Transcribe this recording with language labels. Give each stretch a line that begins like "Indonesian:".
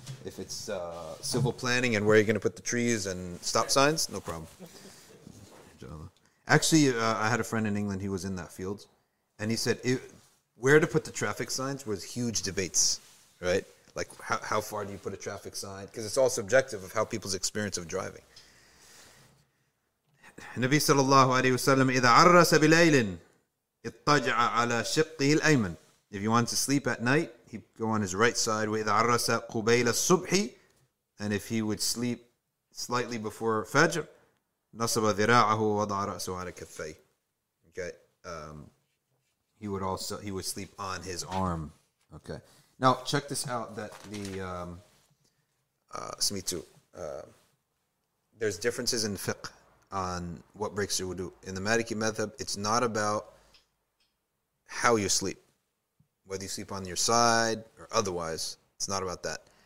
English: If it's civil planning and where you're going to put the trees and stop signs, no problem. Actually, I had a friend in England. He was in that field. And he said, where to put the traffic signs was huge debates, right? Like, how far do you put a traffic sign? Because it's all subjective of how people's experience of driving.
Arabic: Nabi sallallahu alayhi wa sallam, إذا عرّس بليلٍ اتجع على شقه الأيمن.
English: If you want to sleep at night, he'd go on his right side.
Arabic: وإذا عرّس قبيل الصبح,
English: and if he would sleep slightly before Fajr,
Arabic: نصب ذراعه وضع رأسه على كفيه.
English: Okay. He would sleep on his arm. Okay. Now check this out. That the there's differences in fiqh on what breaks your wudu. In the Maliki madhab, it's not about how you sleep, whether you sleep on your side or otherwise. It's not about that.